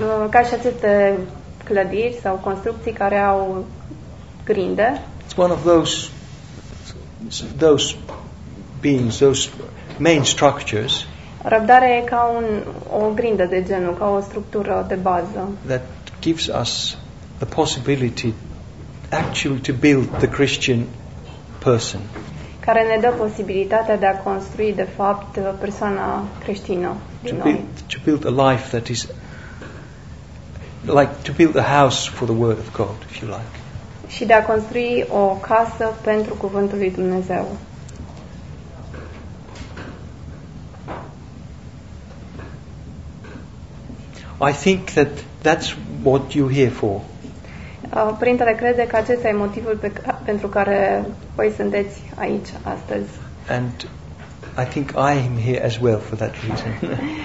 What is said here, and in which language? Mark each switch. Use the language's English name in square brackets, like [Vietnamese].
[Romanian] Ca și aceste clădiri sau construcții care au grinde. [English] It's one of those beams, those main structures. [Romanian] Răbdarea e ca o grindă de genul, ca o structură de bază. [English] That gives us the possibility actually to build the Christian person. [Romanian] Care ne dă posibilitatea de a construi de fapt persoana creștină din noi. [English] To build a life that is like to build a house for the word of God, if you like. [Romanian] Și de a construi o casă pentru cuvântul lui Dumnezeu. [English] I think that that's what you're here for. [Romanian] Printre crede că acesta e motivul pentru care voi sunteți aici astăzi. [English] And I think I am here as well for that reason.